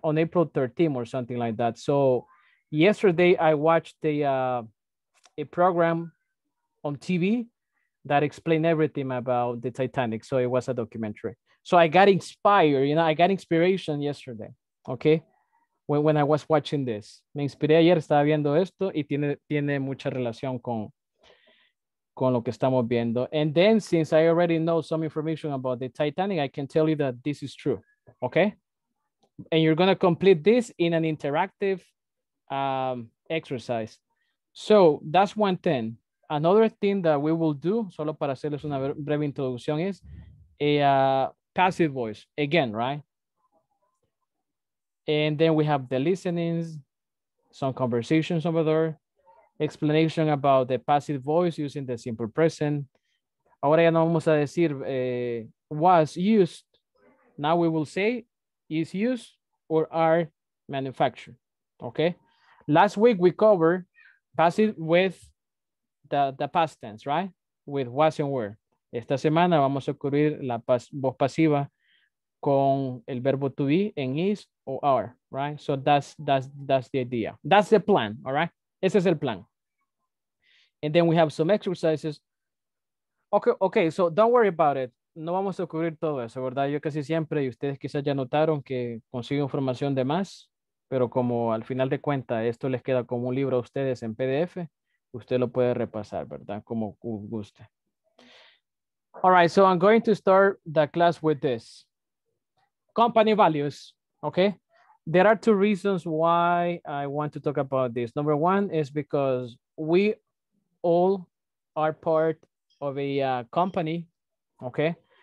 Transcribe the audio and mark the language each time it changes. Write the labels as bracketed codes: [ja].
[en] On April 13 or something like that. So yesterday, I watched a program on TV that explained everything about the Titanic. So it was a documentary. So I got inspired, you know, I got inspiration yesterday, okay? When I was watching this. [es] Me inspiré ayer, estaba viendo esto, y tiene mucha relación con lo que estamos viendo. [en] And then, since I already know some information about the Titanic, I can tell you that this is true, okay? And you're going to complete this in an interactive exercise. So that's one thing. Another thing that we will do, [es] solo para hacerles una breve introducción, [en] is a passive voice again, right? And then we have the listenings, some conversations over there, explanation about the passive voice using the simple present. [es] Ahora ya no vamos a decir [en] was used. Now we will say is used or are manufactured, okay? Last week we covered passive with the past tense, right? With was and were. [es] Esta semana vamos a cubrir la voz pasiva con el verbo to be en is or are, right? [en] So that's the idea. That's the plan, all right? [es] Ese es el plan. [en] And then we have some exercises. Okay, so don't worry about it. [es] No vamos a cubrir todo eso, ¿verdad? Yo casi siempre, y ustedes quizás ya notaron que consigo información de más. Pero como al final de cuentas, esto les queda como un libro a ustedes en PDF, usted lo puede repasar, ¿verdad? Como guste. [en] All right, so I'm going to start the class with this. Company values, okay? There are two reasons why I want to talk about this. Number one is because we all are part of a company, okay?